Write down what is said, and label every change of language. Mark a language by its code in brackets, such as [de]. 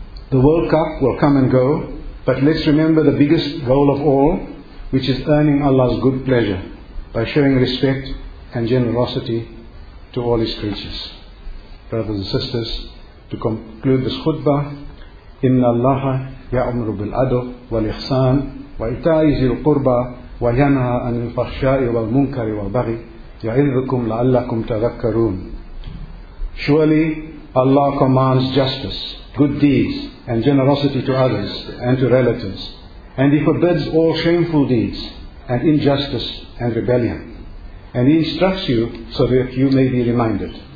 [en] The World Cup will come and go, but let's remember the biggest goal of all, which is earning Allah's good pleasure by showing respect and generosity to all His creatures. Brothers and sisters, to conclude this khutbah, [ar] إِنَّ اللَّهَ يَعْمُرُ بِالْعَدْلِ وَالْإِحْسَانِ وَإِيتَاءِ ذِي الْقُرْبَى وَيَنْهَى عَنِ الْفَحْشَاءِ وَالْمُنكَرِ وَالْبَغْيِ يَعِظُكُمْ لَعَلَّكُمْ تَذَكَّرُونَ. [en] Surely Allah commands justice, good deeds, and generosity to others and to relatives, and He forbids all shameful deeds and injustice and rebellion, and He instructs you so that you may be reminded.